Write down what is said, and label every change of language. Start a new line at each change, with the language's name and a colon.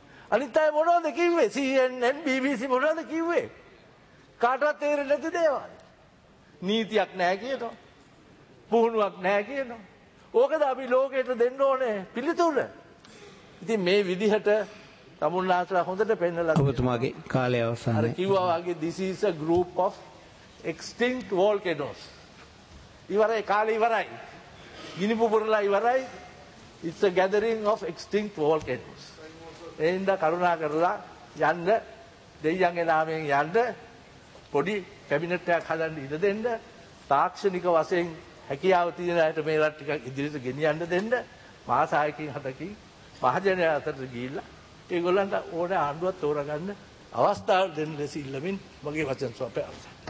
Sinhala: අනිත් අය මොනවද කිව්වේ? CNN BBC මොනවද කිව්වේ? කාටවත් තේරෙන්නේ නැති දේවල්. නීතියක් නැහැ කියනවා. පුහුණුවක් නැහැ කියනවා. ඕකද අපි ලෝකෙට දෙන්න ඕනේ පිළිතුර? ඉතින් මේ විදිහට තමුන්ලාස්ලා හොඳට පෙන්නලා ඔබතුමාගේ කාලය අවසානයි. අර කිව්වා වගේ
English: this is a group of extinct volcanoes.
Sinhala: ඉවරයි කාලේ ඉවරයි. ගිනි පුපුරලා ඉවරයි.
English: It's a gathering of extinct volcanoes.
Sinhala: එහෙනම් කරුණා කරලා යන්න දෙයියන්ගේ නාමයෙන් යන්න පොඩි කැබිනට් එකක් හදන්න ඉඩ දෙන්න තාක්ෂණික වශයෙන් හැකියාව තියෙන අයට මේවා ටිකක් ඉදිරියට ගෙනියන්න දෙන්න මාසයකින් හතකින් මහජන අතරට ගිහිල්ලා ඒගොල්ලන්ට ඕන ආණ්ඩුවක් තෝරගන්න අවස්ථාව දෙන්න ලෙස ඉල්ලමින් මගේ වචන සපයා